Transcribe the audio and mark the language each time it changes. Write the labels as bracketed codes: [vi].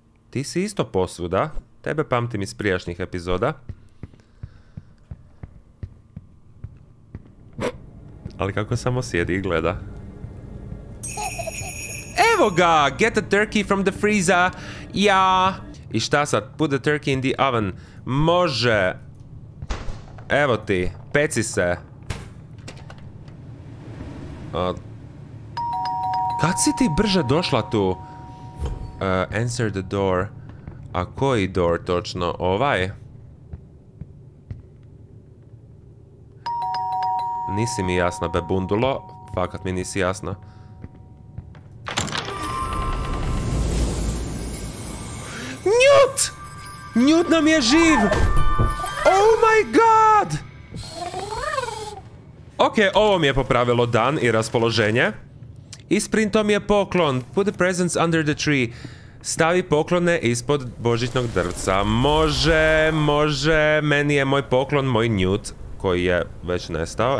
[hr] Ti si isto posuda. Tebe pamtim iz prijašnjih epizoda. Ali kako samo sjedi i gleda. Evo ga! [en] Get the turkey from the freezer! [hr] Ja! I šta sad? [en] Put the turkey in the oven. [hr] Može! Evo ti, peci se. Kad si ti brže došla tu? [en] Answer the door. [hr] A koji door točno? Ovaj? Nisi mi jasna, bebundulo. Fakat mi nisi jasna. Njut! Njut nam je živ! [en] Oh my god! [hr] Ok, ovo mi je popravilo dan i raspoloženje. Isprinto mi je poklon. [en] Put the presents under the tree. [hr] Stavi poklone ispod božićnog drvca. Može, može. Meni je moj poklon, moj njut, koji je već nestao.